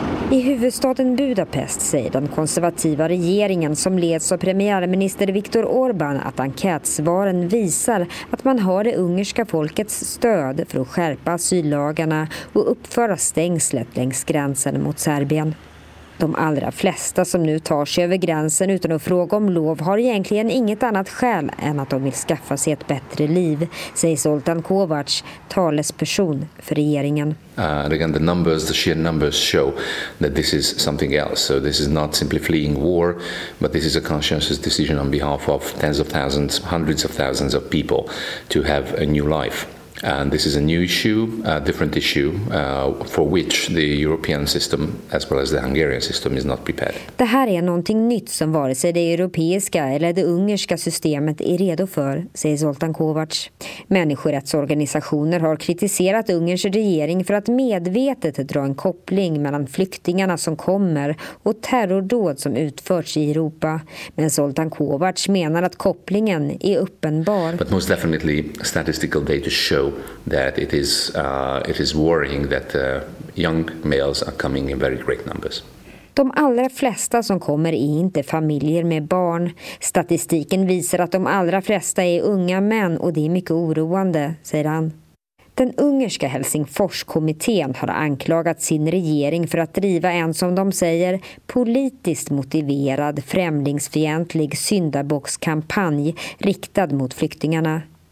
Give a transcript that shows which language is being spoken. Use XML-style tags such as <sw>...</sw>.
<sv>I huvudstaden Budapest säger den konservativa regeringen som leds av premiärminister Viktor Orbán att enkätsvaren visar att man har det ungerska folkets stöd för att skärpa asyllagarna och uppföra stängslet längs gränsen mot Serbien. De allra flesta som nu tar sig över gränsen utan att fråga om lov har egentligen inget annat skäl än att de vill skaffa sig ett bättre liv, säger Zoltan Kovacs, talesperson för regeringen.</sv> <en>Again, the numbers, the sheer numbers show that this is something else. So this is not simply fleeing war, but this is a conscientious decision on behalf of tens of thousands, hundreds of thousands of people to have a new life. And this is a new issue, a different issue, for which the European system as well as the Hungarian system is not prepared.</en> <sv>Det här är någonting nytt som vare sig det europeiska eller det ungerska systemet är redo för, säger Zoltan Kovacs. Människorättsorganisationer har kritiserat Ungerns regering för att medvetet dra en koppling mellan flyktingarna som kommer och terrordåd som utförts i Europa. Men Zoltan Kovacs menar att kopplingen är uppenbar.</sv> <en>But most definitely statistical data show that it is worrying that young males are coming in very great numbers.</en> <sv>De allra flesta som kommer är inte familjer med barn. Statistiken visar att de allra flesta är unga män och det är mycket oroande, säger han. Den ungerska Helsingforskommittén har anklagat sin regering för att driva en, som de säger, politiskt motiverad främlingsfientlig syndabockskampanj riktad mot flyktingarna.</sv>